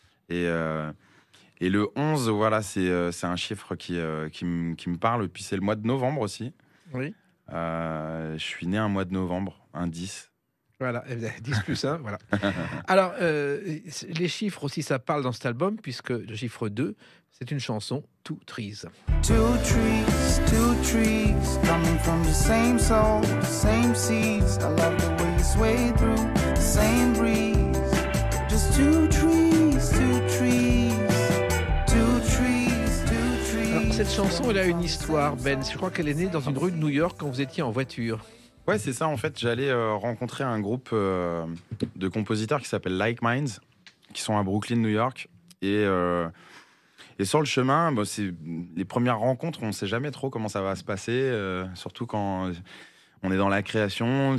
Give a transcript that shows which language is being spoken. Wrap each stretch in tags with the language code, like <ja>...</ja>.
<fr>Et le 11, voilà, c'est un chiffre qui me parle. Puis c'est le mois de novembre aussi. Oui. Je suis né un mois de novembre, un 10. Voilà, 10 plus 1, voilà. Alors, les chiffres aussi, ça parle dans cet album, puisque le chiffre 2, c'est une chanson, Two Trees.</fr> <en>Two trees, coming from the same soul, the same seeds. I love the way you sway through the same breeze. Just two trees, two trees, two trees, two trees.</en> <fr>Alors, cette chanson, elle a une histoire, Ben. Je crois qu'elle est née dans une rue de New York quand vous étiez en voiture. Ouais, c'est ça. En fait, j'allais rencontrer un groupe de compositeurs qui s'appelle Like Minds, qui sont à Brooklyn, New York. Et sur le chemin, bon, c'est les premières rencontres, on ne sait jamais trop comment ça va se passer, surtout quand on est dans la création.</fr>